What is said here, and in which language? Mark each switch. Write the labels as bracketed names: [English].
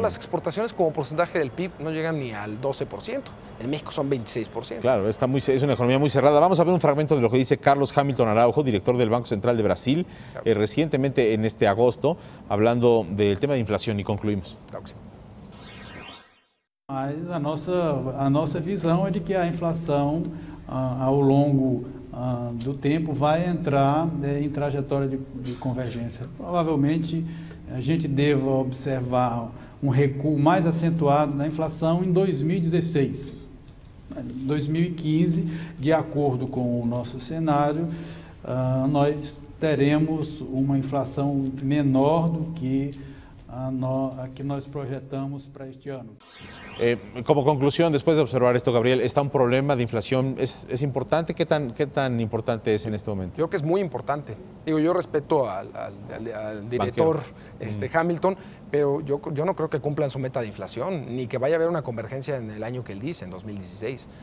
[Spanish] Las exportaciones como porcentaje del PIB no llegan ni al 12%, en México son 26%. Claro, es una economía muy cerrada. Vamos a ver un fragmento de lo que dice Carlos Hamilton Araújo, director del Banco Central de Brasil, claro. Recientemente en este agosto, hablando del tema de inflación y concluimos. Claro que sí. [Portuguese] Mas a nossa visão é de que a inflação ao longo do tempo vai entrar em trajetória de convergência. Provavelmente a gente deva observar um recuo mais acentuado na inflação em 2016. Em 2015, de acordo com o nosso cenário, nós teremos uma inflação menor do que a que nós projetamos para este ano. [Spanish] Como conclusión, después de observar esto, Gabriel, ¿está un problema de inflación? ¿Es importante? ¿Qué tan importante es en este momento? Yo creo que es muy importante. Digo, yo respeto al director Hamilton, pero yo no creo que cumplan su meta de inflación, ni que vaya a haber una convergencia en el año que él dice, en 2016.